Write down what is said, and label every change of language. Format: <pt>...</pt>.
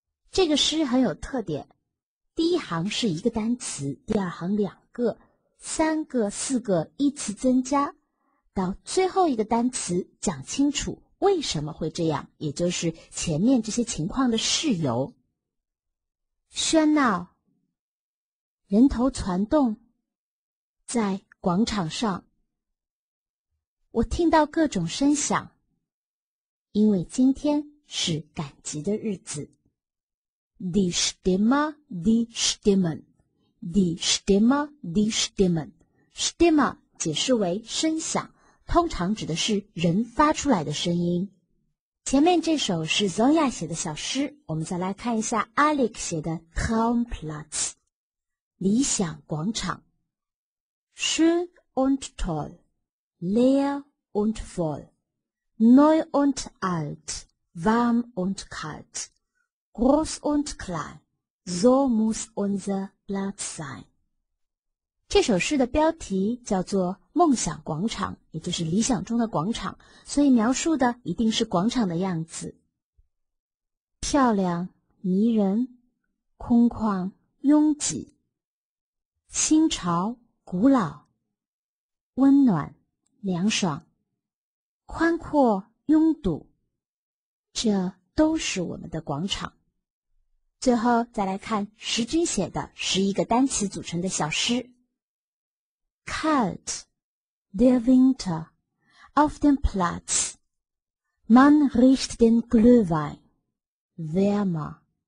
<zh>这个诗很有特点，第一行是一个单词，第二行两个，三个四个依次增加，到最后一个单词讲清楚为什么会这样，也就是前面这些情况的事由。喧闹，人头攒动，在广场上，我听到各种声响，因为今天是赶集的日子。</zh> <de>Die Stimme, die Stimmen, die Stimme, die Stimmen.</de> <zh>Stimme 解释为声响，通常指的是人发出来的声音。前面这首是 Zonja 写的小诗，我们再来看一下 Alex 写的 Traumplatz, 理想广场。</zh> <de>Schön und toll, leer und voll. Neu und alt, warm und kalt, groß und klein, so muss unser Platz sein.</de> <zh>这首诗的标题叫做梦想广场，也就是理想中的广场，所以描述的一定是广场的样子。漂亮，迷人，空旷，拥挤，新潮，古老，温暖，凉爽。宽阔拥堵，这都是我们的广场。最后再来看石君写的11个单词组成的小诗。</zh> <de>Kalt, der Winter, auf dem Platz, man riecht den Glühwein, wärmer.</de>